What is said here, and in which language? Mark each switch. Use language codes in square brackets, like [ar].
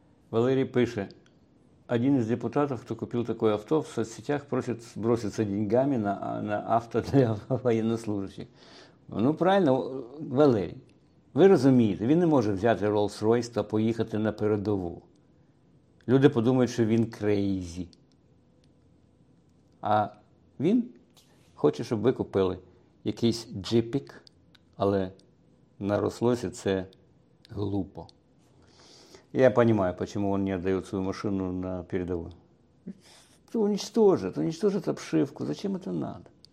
[ru] Валерий пишет, один из депутатов, кто купил такое авто, в соцсетях просит броситься деньгами на авто для военнослужащих. Ну, правильно, Валерий, [uk] ви розумієте, він не може взяти Rolls-Royce та поїхати на передову. Люди подумають, що він крейзі. А він хоче, щоб ви купили якийсь джипік, але на Rolls-Royce це глупо. [ru] Я понимаю, почему он не отдает свою машину на передовую. Уничтожит обшивку. Зачем это надо?